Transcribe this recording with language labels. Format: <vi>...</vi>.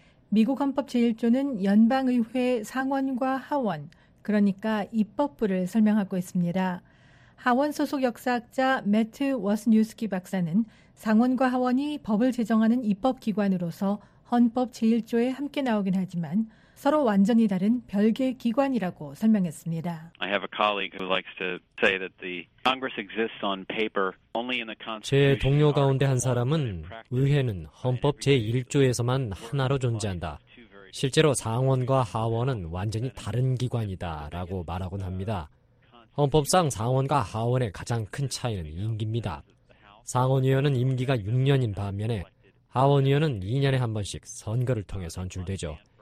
<ko>미국 헌법 제1조는 연방의회 상원과 하원, 그러니까 입법부를 설명하고 있습니다. 하원 소속 역사학자 매트 워스뉴스키 박사는 상원과 하원이 법을 제정하는 입법기관으로서 헌법 제1조에 함께 나오긴 하지만 서로 완전히 다른 별개 기관이라고 설명했습니다.</ko> <en>I have a colleague who likes to say that the Congress exists on paper only in the Constitution.</en> <ko>제 동료 가운데 한 사람은 의회는 헌법 제1조에서만 하나로 존재한다. 실제로 상원과 하원은 완전히 다른 기관이다라고 말하곤 합니다. 헌법상 상원과 하원의 가장 큰 차이는 임기입니다. 상원의원은 임기가 6년인 반면에 하원의원은 2년에 한 번씩 선거를 통해 선출되죠.</ko>